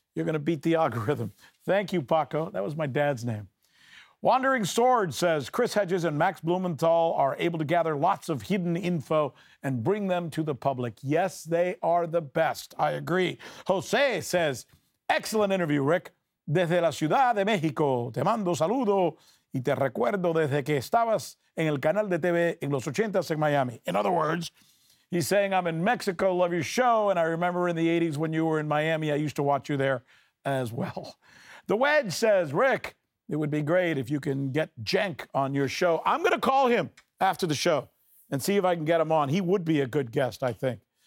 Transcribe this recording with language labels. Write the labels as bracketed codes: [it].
[en] You're going to beat the algorithm. Thank you, Paco. That was my dad's name. Wandering Sword says, Chris Hedges and Max Blumenthal are able to gather lots of hidden info and bring them to the public. Yes, they are the best. I agree. Jose says, excellent interview, Rick. [es] Desde la Ciudad de México, te mando saludo y te recuerdo desde que estabas en el canal de TV en los 80s en Miami. [en] In other words, he's saying, I'm in Mexico, love your show, and I remember in the 80s when you were in Miami, I used to watch you there as well. The Wedge says, Rick, it would be great if you can get Cenk on your show. I'm going to call him after the show and see if I can get him on. He would be a good guest, I think.